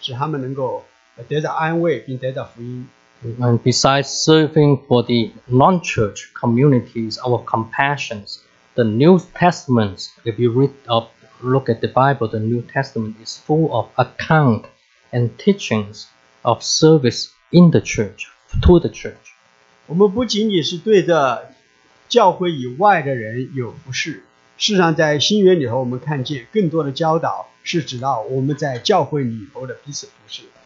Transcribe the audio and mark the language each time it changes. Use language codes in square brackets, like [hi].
[zh] 也许神给我们又开了一个新的门，让我们去存怜悯的心去服侍一些有需要的人，使他们能够得到安慰并得到福音。 [en] And besides serving for the non-church communities, our compassions, the New Testaments, if you read up, look at the Bible, the New Testament is full of account and teachings of service in the church, to the church. [zh] 我们不仅仅是对着教会以外的人有服侍，事实上在新约里头我们看见更多的教导是指到我们在教会里头的彼此服侍。